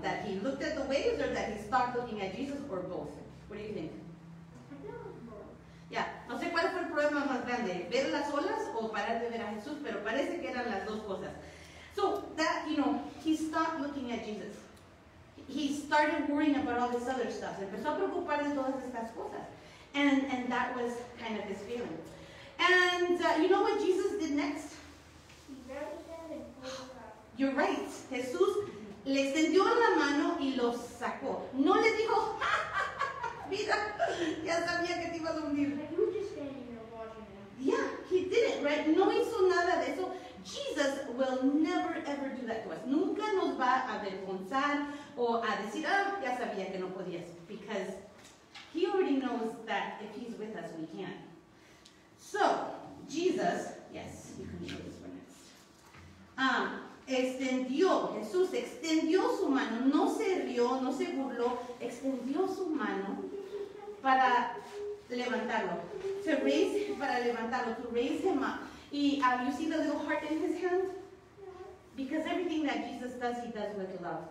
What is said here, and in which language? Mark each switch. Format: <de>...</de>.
<en>That he looked at the waves or that he started looking at Jesus or both? What do you think?</en> <es>Yeah. No sé cuál fue el problema más grande, ver las olas o parar de ver a Jesús, pero parece que eran las dos cosas.</es> <en>So, that, you know, he stopped looking at Jesus. He started worrying about all this other stuff.</en> <es>Se empezó a preocupar de todas estas cosas.</es> <en>And that was kind of his feeling. And you know what Jesus did next? You're right.</en> <es>Jesús le extendió la mano y lo sacó. No le dijo, ¡ja, ja! Mira, ya sabía que te ibas a hundir.</es> <en>Yeah, he did it, right?</en> <es>No hizo nada de eso.</es> <en>Jesus will never ever do that to us.</en> <es>Nunca nos va a avergonzar o a decir, ah, ya sabía que no podías.</es> <en>Because he already knows that if he's with us, we can. So, Jesus, yes, you can show this for next.</en> <es>Extendió, Jesús extendió su mano, no se rió, no se burló, extendió su mano para levantarlo.</es> <en>To raise,</en> <es>para levantarlo,</es> <en>to raise him up. Y, you see the little heart in his hand? Because everything that Jesus does, he does with love.</en>